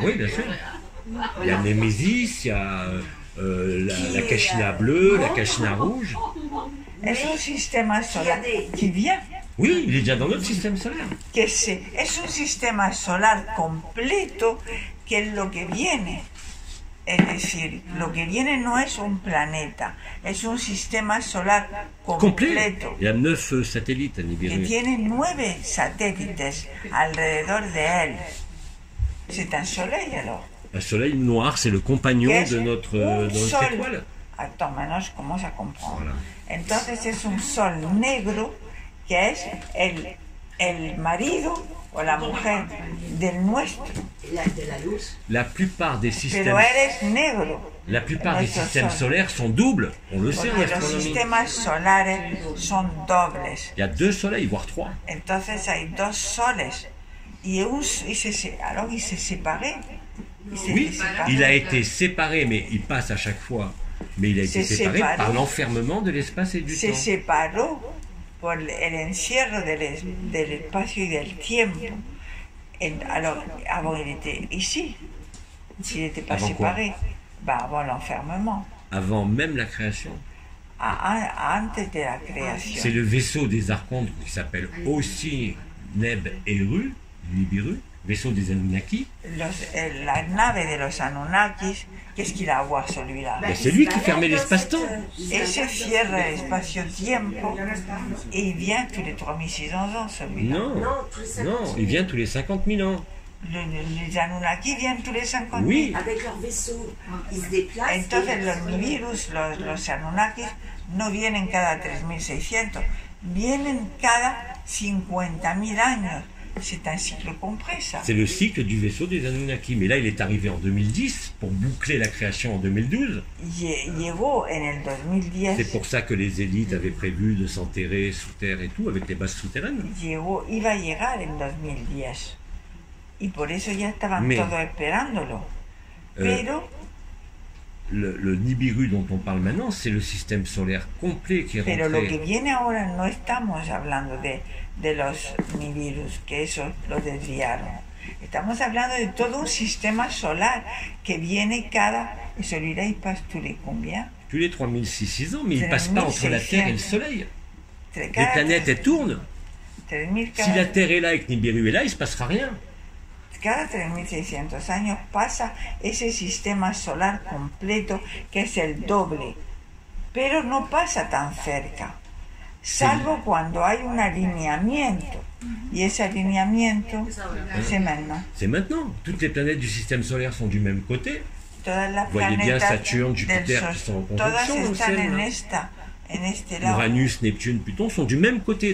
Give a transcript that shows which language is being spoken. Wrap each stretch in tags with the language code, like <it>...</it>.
<fr>Oui, bien sûr. Il y a Némésis, il y a la Cachina bleue, la Cachina rouge. Est un système solaire qui vient. Oui, il est déjà dans notre système solaire.</fr> <es>Que</es> <fr>c'est, est un système solaire</fr> <es>completo que lo que viene. Es decir, lo que viene no es un planeta, es un sistema solar completo.</es> <fr>Il y a 9 satellites à Nibiru.</fr> <es>Que tiene 9 satélites alrededor de él.</es> <fr>C'est un soleil alors. Un soleil noir, c'est le compagnon que de notre étoile. Attends, maintenant je commence à comprendre. Voilà.</fr> <es>Entonces es un sol negro que es el marido o la mujer del nuestro.</es> <fr>La plupart des systèmes solaires sont doubles, on le sait en astronomie.</fr> <es>Los sistemas solares son dobles.</es> <fr>Il y a 2 soleils voire 3.</fr> <es>Entonces hay 2 soles y se separé.</es> <fr>Oui, il a été séparé mais il passe à chaque fois. Mais il a été séparé par l'enfermement de l'espace et du temps.</fr> <es>Se separó por el encierro del espacio y del tiempo.</es> <fr>Alors, avant, il était ici. Il n'était pas avant séparé. Avant l'enfermement. Avant même la création.</fr> <es>Antes de la création.</es> <fr>C'est le vaisseau des archontes qui s'appelle aussi Neb Eru, Nibiru. Vaisseau des Anunnaki.</fr> <es>La nave de los Anunnakis,</es> <fr>qu'est-ce qu'il a à voir celui-là? C'est lui qui fermait l'espace-temps. Et se fierre l'espace-tiempo, et il vient tous les 3600 ans celui-là. Non, il vient tous les 50 000 ans. Les Anunnaki viennent tous les 50 000 ans. Avec leur vaisseau, ils se déplacent.</fr> <es>Entonces, los Nibirus, los Anunnakis, no vienen cada 3600, vienen cada 50 000 ans.</es> <fr>C'est un cycle complet, ça. C'est le cycle du vaisseau des Anunnaki. Mais là, il est arrivé en 2010 pour boucler la création en 2012.</fr> <es>Llegó en el 2010.</es> <fr>C'est pour ça que les élites avaient prévu de s'enterrer sous terre et tout, avec les bases souterraines.</fr> <es>Llegó, iba a llegar en 2010. Y por eso ya estaban todos esperándolo. Pero...</es> <fr>Le Nibiru dont on parle maintenant, c'est le système solaire complet qui est rentré.</fr> <es>Pero lo que viene ahora no estamos hablando de los Nibirus, que eso lo desviaron. Estamos hablando de todo un sistema solar que viene cada...</es> <fr>Y celui-là, il passe tous les combien? Tous les 3600 ans, mais il ne passe pas entre la Terre et le Soleil. Les planètes, elles tournent. Si la Terre est là et que Nibiru est là, il ne se passera rien.</fr> <es>Cada 3600 años pasa ese sistema solar completo, que es el doble, pero no pasa tan cerca, salvo cuando hay un alineamiento, y ese alineamiento</es> <fr>c'est maintenant. C'est maintenant. Toutes les planètes du système solaire sont du même côté.</fr> <es>Todas las planetas del sol, Saturne, Jupiter, todas están en esta.</es> <fr>Uranus, Neptune, Pluton sont du même côté.</fr>